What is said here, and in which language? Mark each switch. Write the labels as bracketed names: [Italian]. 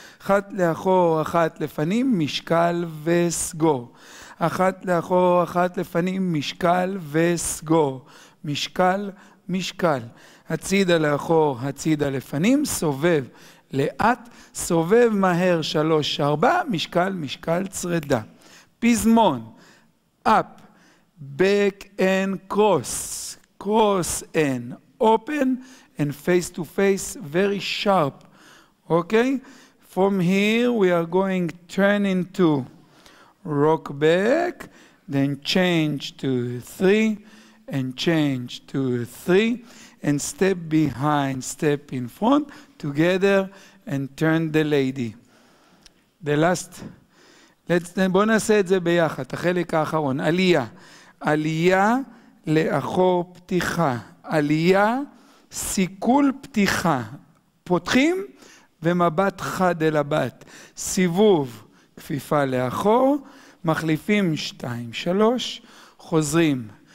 [Hebrew] אחת לאחור, אחת לפנים, משקל וסגור. אחת לאחור, אחת לפנים, משקל וסגור. משקל וסגור. משקל, הצידה לאחור, הצידה לפנים, סובב לאט, סובב מהר שלוש, ארבע, משקל, משקל, צרדה. [English] פזמון, up, back and cross, cross and open, and face to face, very sharp, okay? From here we are going turn into rock back, then change to three, and change to three, and step behind, step in front, together, and turn the lady. The last, [Hebrew] בוא נעשה את זה ביחד, החלק האחרון, עלייה. עלייה לאחור פתיחה, עלייה, סיכול פתיחה. פותחים ומבט חד אל הבת. סיבוב, כפיפה לאחור, מחליפים שתיים, שלוש, חוזרים.